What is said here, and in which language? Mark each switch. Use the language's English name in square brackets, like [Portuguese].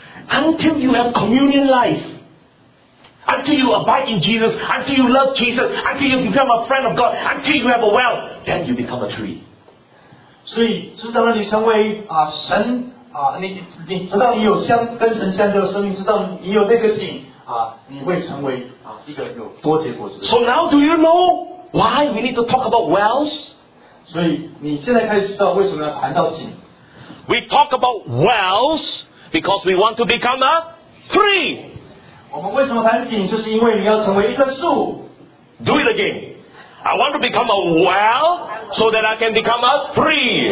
[English] Until you have communion life, until you abide in Jesus, until you love Jesus, until you become a friend of God, until you have a well, then you become a tree. [Chinese] 所以直到你成为、啊、神。你知道你有相跟神相交的生命，知道你有那个井、啊、你会成为、啊、一个有多结果子。 [English] So now do you know why we need to talk about wells? [Chinese] 所以你现在开始知道为什么要谈到井。 [English] We talk about wells because we want to become a tree. [Chinese] 我们为什么谈井，就是因为你要成为一棵树。 [English] Do it again. I want to become a well so that I can become a free.